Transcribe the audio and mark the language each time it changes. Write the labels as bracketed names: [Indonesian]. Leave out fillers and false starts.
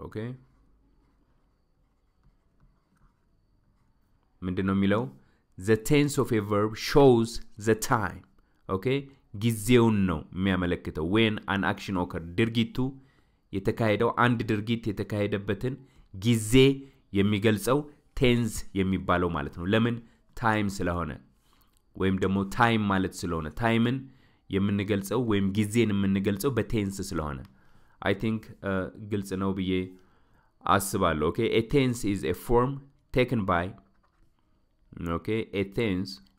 [Amharic] okay, ምንድነው የሚለው? [English] the tense of a verb shows the time. [Amharic] okay, ጊዜውን ነው የሚያመለክተው። [English] when an action occurred, [Amharic] ድርጊቱ የተካሄደው አንድ ድርጊት የተካሄደበትን ጊዜ የሚገልጸው tense የሚባለው ማለት ነው። ለምን? time ስለሆነ ወይም ደግሞ time ማለት ስለሆነ timeን የምንገልጸው ወይም ጊዜን የምንገልጸው በtense ስለሆነ [English] I think [Amharic] ግልጽ ነው ብዬ አስባለሁ። [English] okay, a tense is a form taken by okay, a tense